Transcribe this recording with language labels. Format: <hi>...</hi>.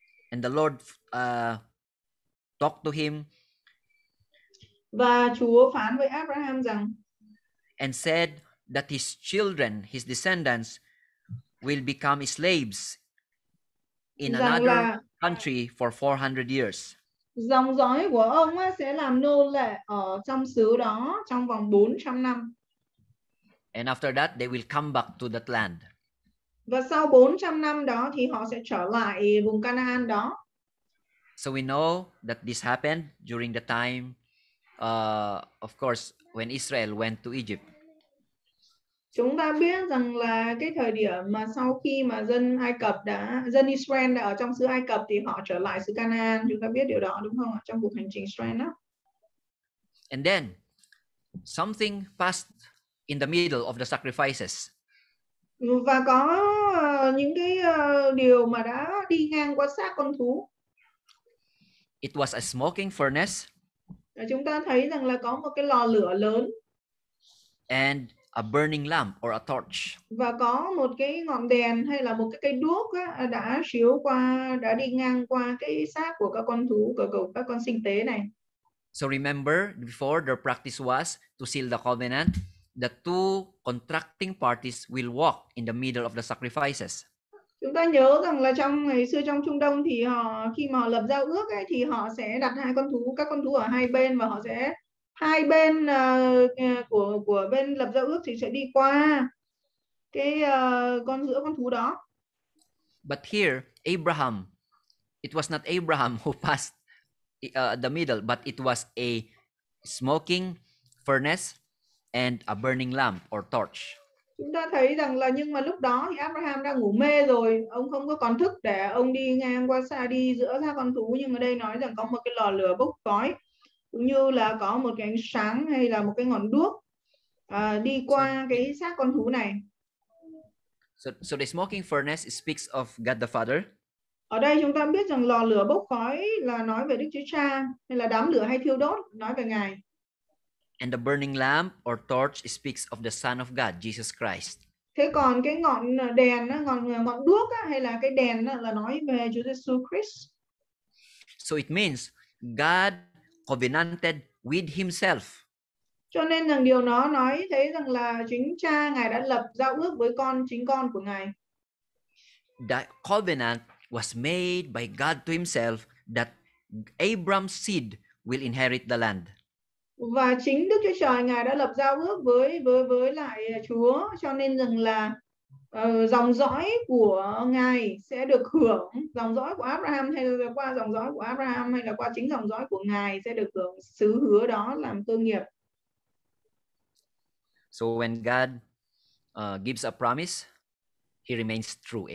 <en>And the Lord talked to him.</en> <vi>Và Chúa phán với Abraham rằng</vi> <en>and said that his children, his descendants, will become slaves in another country for 400 years.</en> <vi>Dòng dõi của ông ấy sẽ làm nô lệ ở trong xứ đó trong vòng 400 năm.</vi> <en>And after that, they will come back to that land.</en> <vi>Và sau 400 năm đó thì họ sẽ trở lại vùng Canaan đó.</vi> <en>So we know that this happened during the time, of course, when Israel went to Egypt.</en> <vi>Chúng ta biết rằng là cái thời điểm mà sau khi mà dân Israel đã ở trong xứ Ai Cập thì họ trở lại xứ Canaan, chúng ta biết điều đó đúng không ạ, trong cuộc hành trình Israel đó.</vi> <en>And then something passed in the middle of the sacrifices.</en> <vi>Và có những cái điều mà đã đi ngang qua xác con thú.</vi> <en>It was a smoking furnace.</en> <vi>Chúng ta thấy rằng là có một cái lò lửa lớn.</vi> <en>And a burning lamp or a torch.</en> <vi>Và có một cái ngọn đèn hay là một cái cây đuốc á, đã chiếu qua, đã đi ngang qua cái xác của các con thú, các con sinh tế này.</vi> <en>So remember, before their practice was to seal the covenant, the two contracting parties will walk in the middle of the sacrifices.</en> <vi>Chúng ta nhớ rằng là trong ngày xưa trong Trung Đông thì họ khi mà họ lập giao ước ấy, thì họ sẽ đặt hai con thú, các con thú ở hai bên và họ sẽ hai bên của bên lập giao ước thì sẽ đi qua cái con giữa con thú đó.</vi> <en>But here Abraham, it was not Abraham who passed the middle, but it was a smoking furnace and a burning lamp or torch.</en> <vi>Chúng ta thấy rằng là nhưng mà lúc đó thì Abraham đang ngủ mê rồi, ông không có còn thức để ông đi ngang qua xa đi giữa các con thú, nhưng ở đây nói rằng có một cái lò lửa bốc khói, như là có một cái ánh sáng hay là một cái ngọn đuốc đi qua cái xác con thú này.</vi> <en>So the smoking furnace speaks of God the Father.</en> <vi>Ở đây chúng ta biết rằng lò lửa bốc khói là nói về Đức Chúa Cha, hay là đám lửa hay thiêu đốt nói về Ngài.</vi> <en>And the burning lamp or torch speaks of the Son of God, Jesus Christ.</en> <vi>Thế còn cái ngọn đèn, ngọn đuốc hay là cái đèn là nói về Chúa Giêsu Christ.</vi> <en>So it means God covenanted with Himself.</en> <vi>Cho nên rằng điều nó nói thấy rằng là chính Cha Ngài đã lập giao ước với con, chính con của Ngài.</vi> <en>That covenant was made by God to Himself that Abram's seed will inherit the land.</en> <vi>Và chính Đức Chúa Trời Ngài đã lập giao ước với lại Chúa, cho nên rằng là dòng dõi của Ngài sẽ được hưởng, dòng dõi của Abraham hay là qua dòng dõi của Abraham hay là qua chính dòng dõi của Ngài sẽ được hưởng sứ hứa đó làm cơ nghiệp.</vi> <en>So when God gives a promise, He remains true.</en>